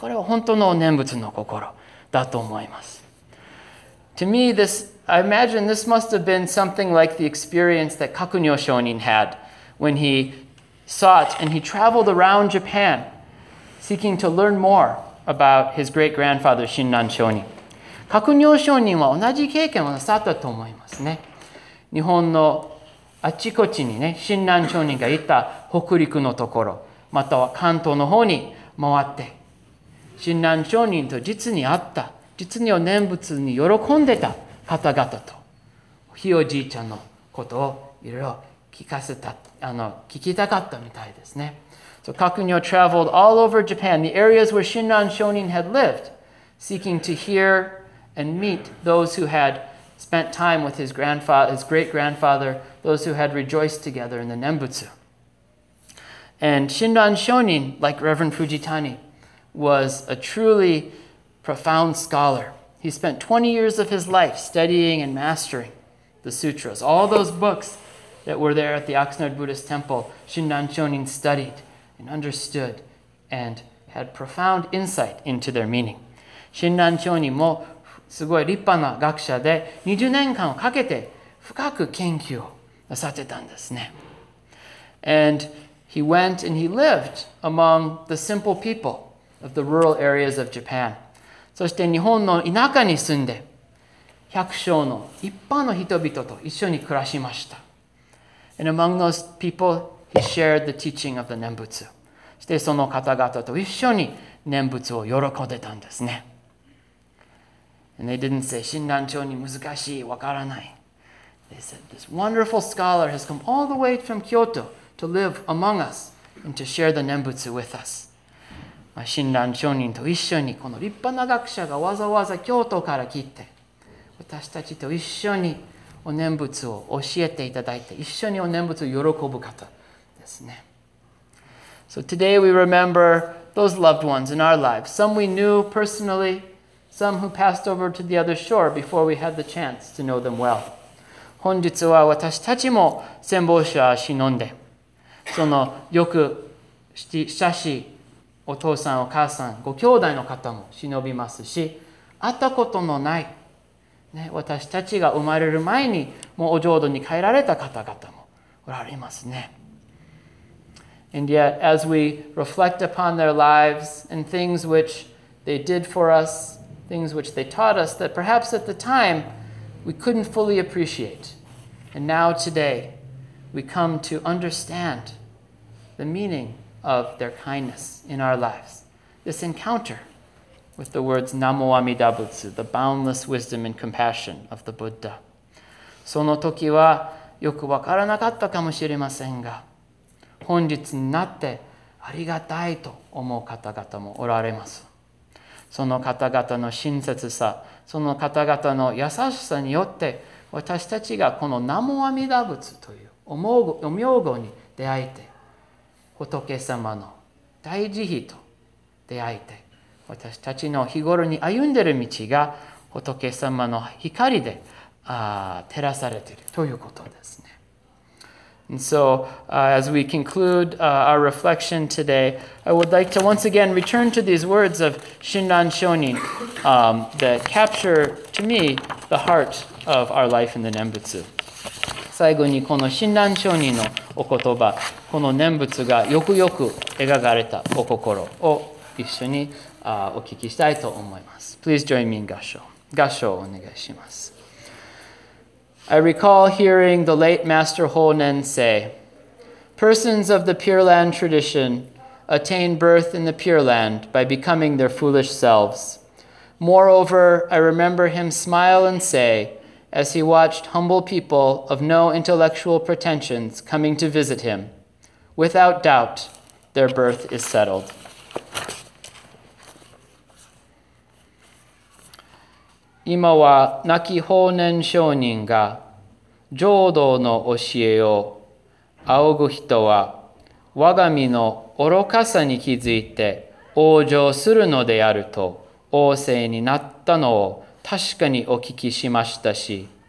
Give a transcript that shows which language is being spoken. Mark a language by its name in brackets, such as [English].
[Japanese] これは本当の念仏の心だと思います。 [English] To me, this, I imagine this must have been something like the experience that Kakunyo Shonin had when he sought and he traveled around Japan seeking to learn more about his great-grandfather, Shinran Shonin. [Japanese] Kakunyo Shonin は同じ経験をなさったと思いますね。日本のあちこちにね、Shinran Shonin が行った北陸のところ、または関東の方に回って、親鸞聖人と実に会った、実にお念仏に喜んでた方々と、ひいおじいちゃんのことをいろいろ聞かせた、聞きたかったみたいですね。 [English] So, Kakunyo traveled all over Japan, the areas where 親鸞聖人 had lived, seeking to hear and meet those who had spent time with his grandfather, his great-grandfather, those who had rejoiced together in the 念仏。 And Shinran Shonin, like Reverend Fujitani, was a truly profound scholar. He spent 20 years of his life studying and mastering the sutras. All those books that were there at the Oxnard Buddhist Temple, Shinran Shonin studied and understood and had profound insight into their meaning. [Japanese] Shinran Shonin もすごい立派な学者で20年間をかけて深く研究をなさってたんですね。 [English] And he went and he lived among the simple people of the rural areas of Japan. [Japanese] そして日本の田舎に住んで、百姓の一般の人々と一緒に暮らしました。 [English] And among those people, he shared the teaching of the 念仏。 [Japanese] そしてその方々と一緒に念仏を喜んでたんですね。 [English] And they didn't say, 親鸞聖人 [Japanese] 難しい、わからない。 [English] They said, this wonderful scholar has come all the way from Kyoto. To live among us and to share the 念仏 with us. [Japanese] 親鸞聖人と一緒にこの立派な学者がわざわざ京都から来て私たちと一緒にお念仏を教えていただいて一緒にお念仏を喜ぶ方ですね。 [English] So today we remember those loved ones in our lives, some we knew personally, some who passed over to the other shore before we had the chance to know them well. [Japanese] 本日は私たちも先方者しのんでそのよく親しいお父さんお母さんご兄弟の方も忍びますし会ったことのない、ね、私たちが生まれる前にもうお浄土に帰られた方々もおられますね。 [English] And yet as we reflect upon their lives and things which they did for us things which they taught us that perhaps at the time we couldn't fully appreciate. And now today, we come to understand the meaning of their kindness in our lives. This encounter with the words Namo Amida Butsu, the boundless wisdom and compassion of the Buddha. [Japanese] その時はよくわからなかったかもしれませんが、本日になってありがたいと思う方々もおられます。その方々の親切さ、その方々の優しさによって、私たちがこの南無阿弥陀仏というお名号に出会えて、仏様の大慈悲と出会えて、私たちの日頃に歩んでいる道が仏様の光で照らされているということですね。 [English] And so, as we conclude our reflection today, I would like to once again return to these words of Shinran Shonin that capture, to me, the heart of our life in the Nembutsu. [Japanese] 最後にこの Shinran Shonin のお言葉、この Nembutsu がよくよく描かれたお心を一緒にお聞きしたいと思います。 [English] Please join me in 合唱。 [Japanese] 合唱をお願いします。 [English] I recall hearing the late Master Honen say, Persons of the Pure Land tradition attain birth in the Pure Land by becoming their foolish selves. Moreover, I remember him smile and say, as he watched humble people of no intellectual pretensions coming to visit him, Without doubt, their birth is settled. [Japanese] Ima wa naki Honen Shonin ga浄土の教えを仰ぐ人は我が身の愚かさに気づいて往生するのであると王政になったのを確かにお聞きしましたし